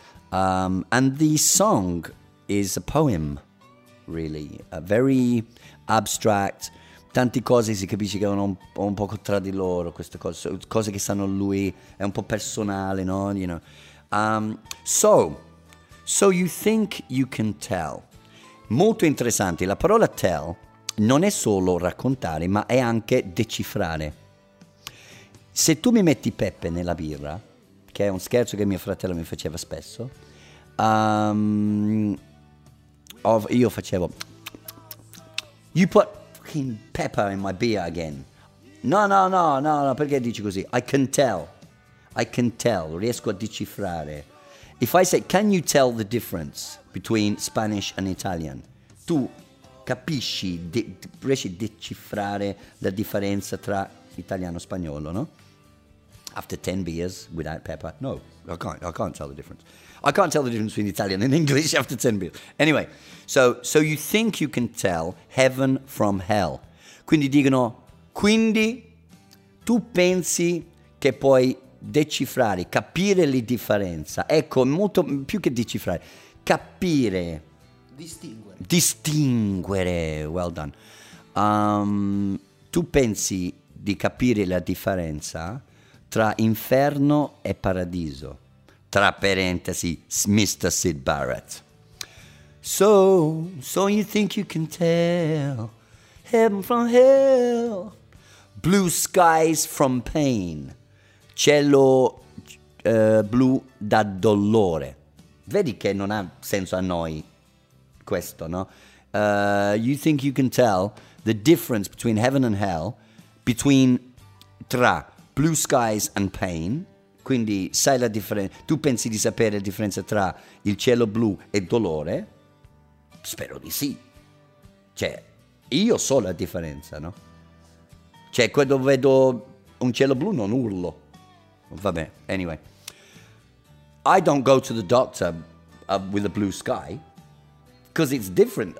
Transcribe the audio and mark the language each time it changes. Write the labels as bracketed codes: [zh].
[en] And the song is a poem, really, a very abstract. [it] Tanti cose si capisce che vanno un poco tra di loro, queste cose, cose che sanno lui, è un po' personale, no? [en] You know. So you think you can tell. [it] Molto interessante, la parola tell non è solo raccontare, ma è anche decifrare. Se tu mi metti pepe nella birra, che è un scherzo che mio fratello mi faceva spesso, io facevo, [en] you put fucking pepper in my beer again. [it] No, perché dici così? [en] I can tell, [it] riesco a decifrare. [en] If I say, can you tell the difference between Spanish and Italian? [it] Tu capisci, riesci a decifrare la differenza tra italiano e spagnolo, no? [en] After 10 beers without pepper? No, I can't tell the difference. I can't tell the difference between Italian and English after 10 beers. Anyway, so you think you can tell heaven from hell. [it] Quindi dicono, quindi tu pensi che puoi decifrare, capire la differenza. Ecco, molto più che decifrare, capire. Distinguere, [en] well done. [it] Tu pensi di capire la differenza tra inferno e paradiso. Tra parentesi, Mr. Syd Barrett. [en] So you think you can tell heaven from hell, blue skies from pain, [it] cielo blu da dolore. Vedi che non ha senso a noi questo, no? [en] You think you can tell the difference between heaven and hell, between tra blue skies and pain. [it] Quindi sai la differenza, tu pensi di sapere la differenza tra il cielo blu e dolore? Spero di sì. Cioè, io so la differenza, no? Cioè, quando vedo un cielo blu non urlo. Vabbè, anyway. [en] I don't go to the doctor with a blue sky, because it's different.